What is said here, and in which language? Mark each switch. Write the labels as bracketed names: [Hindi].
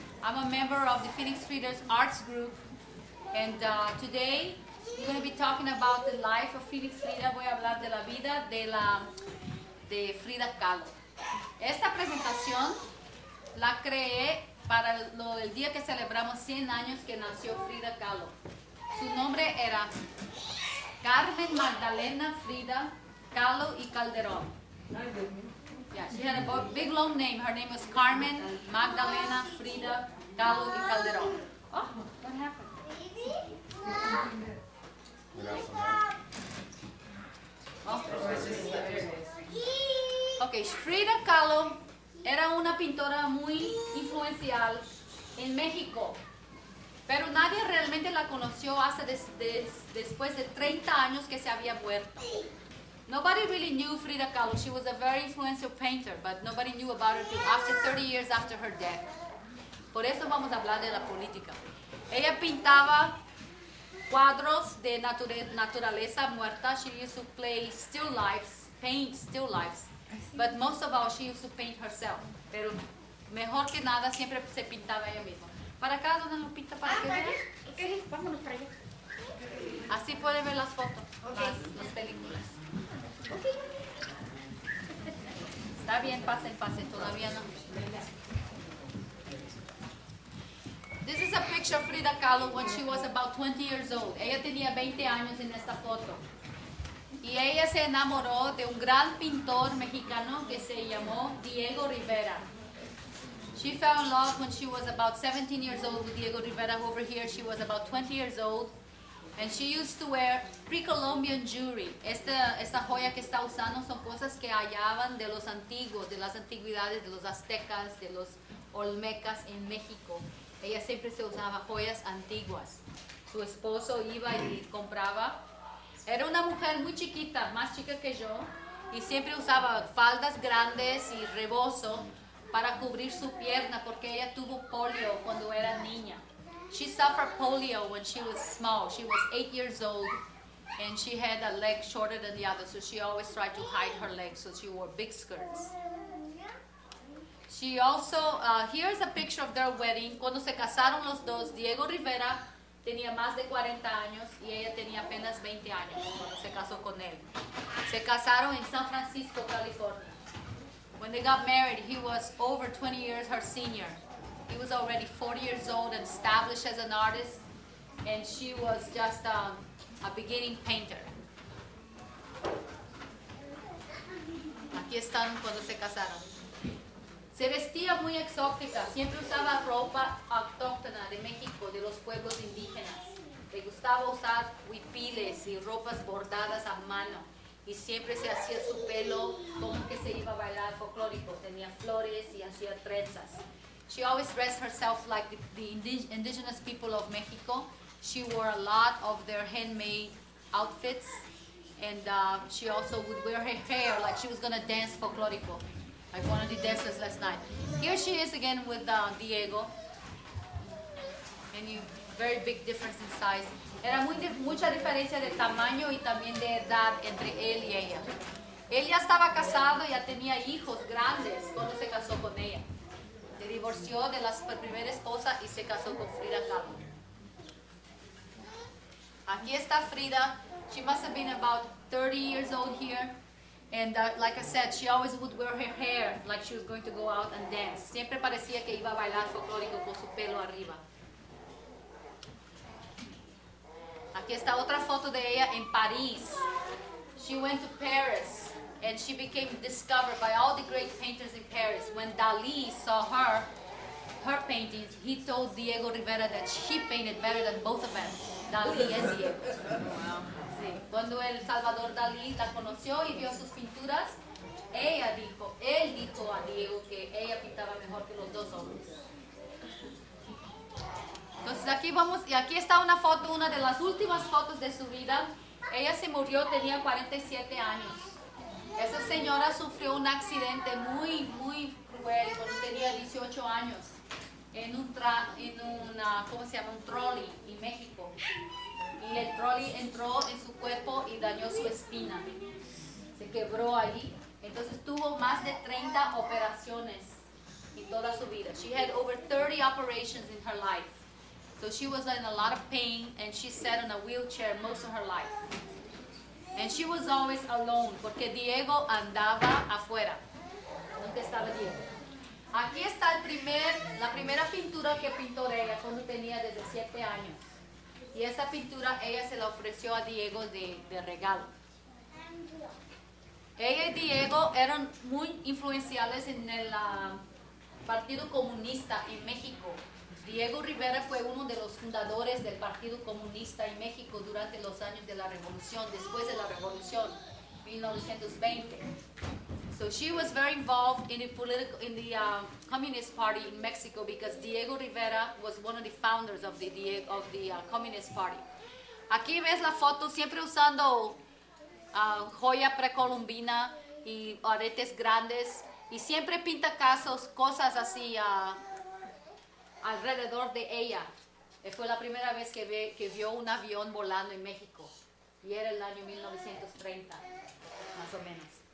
[English] I'm a member of the Phoenix Readers Arts Group. And today we're going to be talking about the life of Phoenix Frida. [Spanish] Voy a hablar de la vida de la de Frida Kahlo. Esta presentación la creé para el día que celebramos 100 años que nació Frida Kahlo. Su nombre era Carmen Magdalena Frida Kahlo y Calderón. [English] Yeah, she had a big long name. Her name was Carmen Magdalena Frida [Spanish] Kahlo y Calderón. [English] Oh, what happened? [Spanish] Okay, Frida Kahlo era una pintora muy influencial en México, pero nadie realmente la conoció hasta después de 30 años que se había muerto. [English] Nobody really knew Frida Kahlo. She was a very influential painter, but nobody knew about her till after 30 years after her death. [Spanish] Por eso vamos a hablar de la política. Ella pintaba cuadros de naturaleza muerta. [English] She used to play still lives, paint still lives. But most of all, she used to paint herself. [Spanish] Pero mejor que nada, siempre se pintaba ella misma. ¿Para acá, donde lo pinta para que vean? Sí, vámonos para allá. Así pueden ver las fotos, las películas. Está bien, pasen, todavía no. [English] This is a picture of Frida Kahlo when she was about 20 years old. [Spanish] Ella tenía 20 años en esta foto. Y ella se enamoró de un gran pintor mexicano que se llamó Diego Rivera. [English] She fell in love when she was about 17 years old with Diego Rivera. Over here, she was about 20 years old. And she used to wear pre-Columbian jewelry. [Spanish] Esta joya que está usando son cosas que hallaban de los antiguos, de las antigüedades, de los aztecas, de los olmecas en México. Ella siempre se usaba joyas antiguas. Su esposo iba y compraba. Era una mujer muy chiquita, más chica que yo, y siempre usaba faldas grandes y rebozo para cubrir su pierna porque ella tuvo polio cuando era niña. [English] She suffered polio when she was small. She was 8 years old and she had a leg shorter than the other, so she always tried to hide her leg, so she wore big skirts. She also, here's a picture of their wedding. [Spanish] Cuando se casaron los dos, Diego Rivera tenía más de 40 años y ella tenía apenas 20 años cuando se casó con él. Se casaron en San Francisco, California. [English] When they got married, he was over 20 years her senior. He was already 40 years old and established as an artist, and she was just a beginning painter. [Spanish] Aquí están cuando se casaron. Se vestía muy exótica, siempre usaba ropa autóctona de México, de los pueblos indígenas. Le gustaba usar huipiles y ropas bordadas a mano. Y siempre se hacía su pelo como que se iba a bailar folclórico. Tenía flores y hacía trenzas. [English] She always dressed herself like the indigenous people of Mexico. She wore a lot of their handmade outfits. And she also would wear her hair like she was going to dance folclórico. I wanted the dancers last night. Here she is again with Diego. And you, very big difference in size. [Spanish] Era mucha diferencia de tamaño y también de edad entre él y ella. Él ya estaba casado, ya tenía hijos grandes cuando se casó con ella. Se divorció de la primera esposa y se casó con Frida Kahlo. Aquí está Frida. [English] She must have been about 30 years old here. And like I said, she always would wear her hair like she was going to go out and dance. [Spanish] Siempre parecía que iba a bailar folclórico con su pelo arriba. Aquí está otra foto de ella en París. [English] She went to Paris and she became discovered by all the great painters in Paris. When Dalí saw her paintings, he told Diego Rivera that she painted better than both of them, Dalí and Diego. [Spanish] Cuando el Salvador Dalí la conoció y vio sus pinturas, él dijo a Diego que ella pintaba mejor que los dos hombres. Entonces aquí vamos, y aquí está una foto, una de las últimas fotos de su vida. Ella se murió, tenía 47 años. Esa señora sufrió un accidente muy, muy cruel cuando tenía 18 años en un trolley en México. Y el trolley entró en su cuerpo y dañó su espina. Se quebró ahí. Entonces tuvo más de 30 operaciones en toda su vida. [English] She had over 30 operations in her life. So she was in a lot of pain and she sat in a wheelchair most of her life. And she was always alone [Spanish] porque Diego andaba afuera. Nunca estaba Diego. Aquí está el primer, la primera pintura que pintó ella cuando tenía 17 años. Y esa pintura ella se la ofreció a Diego de regalo. Ella y Diego eran muy influenciales en el Partido Comunista en México. Diego Rivera fue uno de los fundadores del Partido Comunista en México durante los años de la Revolución, después de la Revolución, 1920. So she was very involved in the political, in the Communist Party in Mexico because Diego Rivera was one of the founders of the Communist Party. Aquí ves la foto siempre usando joya precolombina y aretes grandes y siempre pinta casos, cosas así alrededor de ella. Fue la primera vez que vio un avión volando en México y era el año 1930, más o menos.